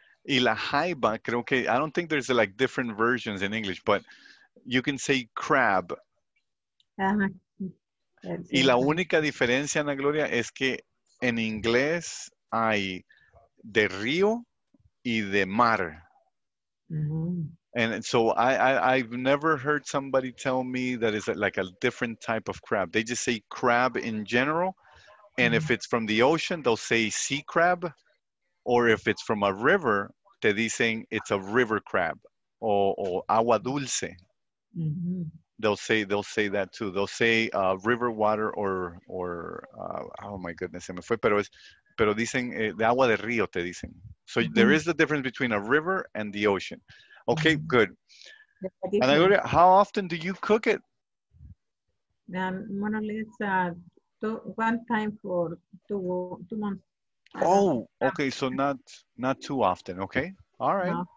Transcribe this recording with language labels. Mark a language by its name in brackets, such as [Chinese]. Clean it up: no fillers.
[Spanish] Y la jaiba, creo que, [English] I don't think there's like different versions in English, but you can say crab. Uh-huh. [Spanish] Y la única diferencia, Ana Gloria, es que en inglés hay de río y de mar. [English] And so I've never heard somebody tell me that is like a different type of crab. They just say crab in general. And if it's from the ocean, they'll say sea crab. Or if it's from a river, [Spanish] te dicen [English] it's a river crab. [Spanish] O agua dulce. [English] They'll say that too. They'll say river water oh my goodness, [Spanish] se me fue. Pero dicen de agua de río, te dicen. [English] So there is the difference between a river and the ocean. Okay, good. And Gloria, how often do you cook it? More or less one time for two months. Oh, okay. So not too often. Okay. All right.